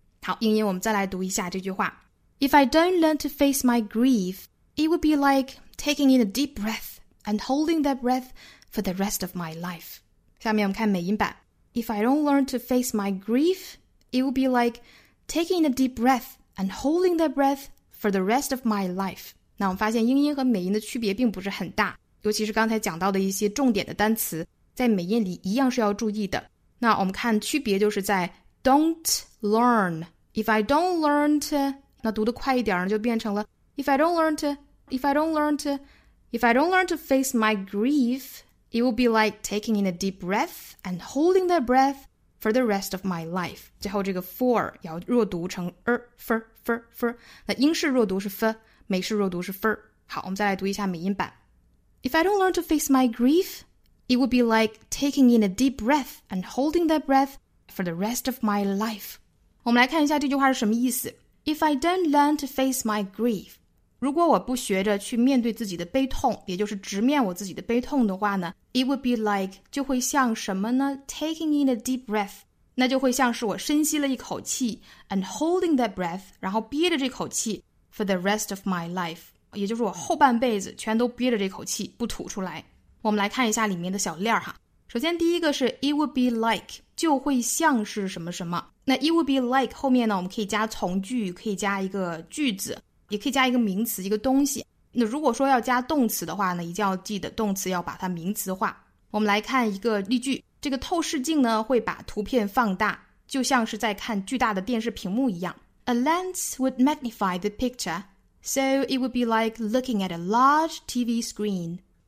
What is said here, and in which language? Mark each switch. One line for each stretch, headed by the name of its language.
Chinese: 好英英我们再来读一下这句话
English: If I don't learn to face my grief, it would be likeTaking in a deep breath and holding that breath for the rest of my life.
Chinese: 下面我们看美音版。
English: If I don't learn to face my grief, it will be like taking a deep breath and holding that breath for the rest of my life.
Chinese: 那我们发现英音和美音的区别并不是很大，尤其是刚才讲到的一些重点的单词，在美音里一样是要注意的。那我们看区别就是在 don't learn.
English: If I don't learn to,
Chinese: 那读得快一点呢，就变成了
English: if I don't learn to,If I don't learn to face my grief, it will be like taking in a deep breath and holding that breath for the rest of my life.
Chinese: 最后这个 for 要弱读成 fur. 那英式弱读是 f, 美式弱读是 fur. 好，我们再来读一下美音版。
English: If I don't learn to face my grief, it will be like taking in a deep breath and holding that breath for the rest of my life.
Chinese: 我们来看一下这句话是什么意思。
English: If I don't learn to face my grief,
Chinese: 如果我不学着去面对自己的悲痛也就是直面我自己的悲痛的话呢
English: It would be like
Chinese: 就会像什么呢
English: Taking in a deep breath
Chinese: 那就会像是我深吸了一口气
English: And holding that breath
Chinese: 然后憋着这口气
English: For the rest of my life
Chinese: 也就是我后半辈子全都憋着这口气不吐出来。我们来看一下里面的小链哈。首先第一个是
English: it would be like,
Chinese: 就会像是什么什么。那
English: it would be like
Chinese: 后面呢，我们可以加从句，可以加一个句子，也可以加一个名词，一个东西。那如果说要加动词的话呢，一定要记得动词要把它名词化。我们来看一个例句，这个透视镜呢会把图片放大，就像是在看巨大的电视屏幕一样。
English: A lens would magnify the picture, so it would be like looking at a large TV screen.